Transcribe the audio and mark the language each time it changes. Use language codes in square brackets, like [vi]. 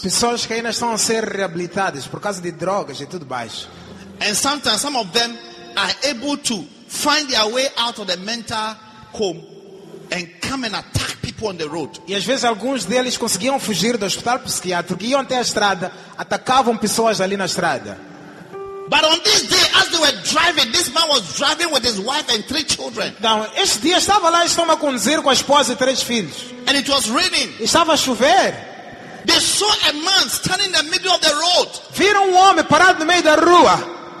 [pt] Pessoas que ainda estão a ser reabilitadas por causa de drogas e tudo baixo. [en] And sometimes some of them are able to find their way out of the mental home and come and attack people on the road. [pt] E às vezes alguns deles conseguiam fugir do hospital psiquiátrico, iam até a estrada, atacavam pessoas ali na estrada. [en] But on this day, as they were driving, this man was driving with his wife and 3 children. [pt] Então, este dia estava lá, estava a conduzir com a esposa e 3 filhos. [en] And it was raining. [pt] Estava a chover. [en] They saw a man standing in the middle of the road. [pt] Viram um homem parado no meio da rua.